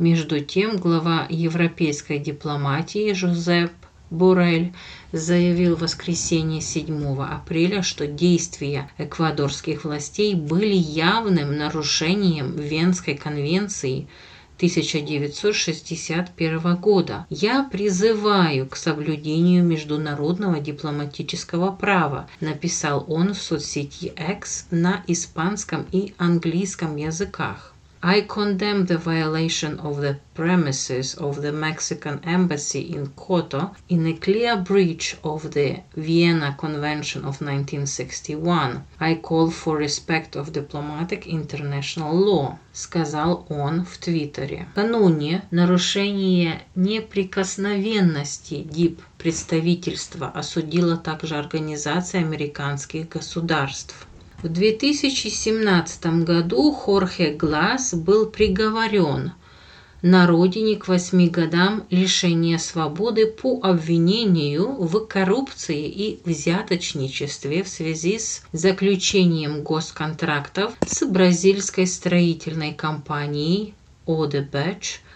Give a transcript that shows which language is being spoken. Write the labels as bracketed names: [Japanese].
[Russian] Между тем, глава европейской дипломатии Жозеп Боррель заявил в воскресенье 7 апреля, что действия эквадорских властей были явным нарушением Венской конвенции 1961 года. «Я призываю к соблюдению международного дипломатического права», написал он в соцсети X на испанском и английском языках. [English] I condemn the violation of the premises of the Mexican embassy in Quito in a clear breach of the Vienna Convention of 1961. I call for respect of diplomatic international law, [Russian] сказал он в Твиттере. Накануне нарушение неприкосновенности дип-представительства осудила также Организация американских государств. В 2017 году Хорхе Глас был приговорен на родине к 8 годам лишения свободы по обвинению в коррупции и взяточничестве в связи с заключением госконтрактов с бразильской строительной компанией Odebrecht.